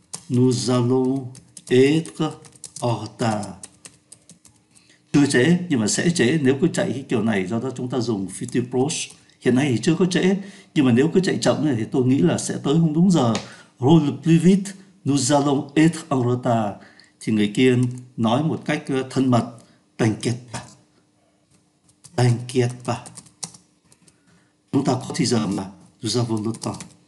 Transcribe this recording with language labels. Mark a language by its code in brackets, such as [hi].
[fr] Nous allons être en retard. [vi] Chưa trễ nhưng mà sẽ trễ nếu cứ chạy cái kiểu này, do đó chúng ta dùng future approach. Hiện nay thì chưa có trễ nhưng mà nếu cứ chạy chậm này thì tôi nghĩ là sẽ tới không đúng giờ. [fr] Roule plus vite, nous allons être en retard. [vi] Thì người kia nói một cách thân mật, [fr] t'inquiète pas, t'inquiète pas. [vi] Chúng ta có thời giờ mà, [fr] nous avons le temps.